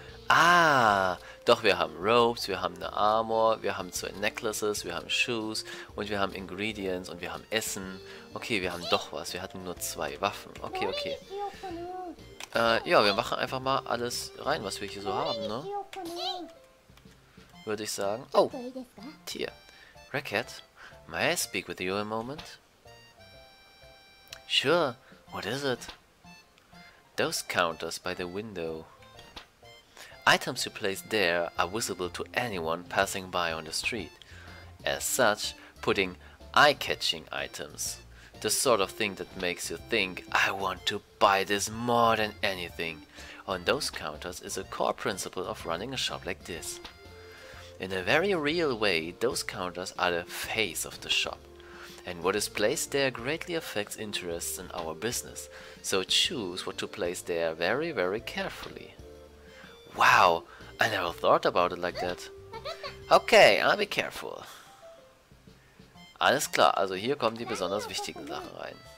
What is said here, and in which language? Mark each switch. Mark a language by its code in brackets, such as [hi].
[de] Ah, doch, wir haben Robes, wir haben eine Armor, wir haben zwei Necklaces, wir haben Shoes und wir haben Ingredients und wir haben Essen. Okay, wir haben doch was. Wir hatten nur zwei Waffen. Okay. Ja, wir machen einfach mal alles rein, was wir hier so haben, ne? Würde ich sagen. Oh, Tier. [en] Racket, may I speak with you a moment? Sure, what is it? Those counters by the window. Items you place there are visible to anyone passing by on the street. As such, putting eye-catching items, the sort of thing that makes you think, I want to buy this more than anything, on those counters is a core principle of running a shop like this. In a very real way, those counters are the face of the shop, and what is placed there greatly affects interests in our business, so choose what to place there very, very carefully. Wow, I never thought about it like that. Okay, I'll be careful. [de] Alles klar, also hier kommen die besonders wichtigen Sachen rein.